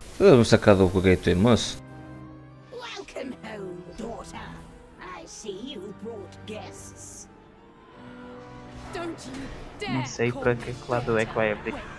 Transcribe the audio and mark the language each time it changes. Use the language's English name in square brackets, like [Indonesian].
[Portuguese] Vamos sacar do foguete, moço. [English] Welcome home, daughter. I see you brought guests. Don't you dare. [Portuguese] Não sei para que lado é que vai abrir.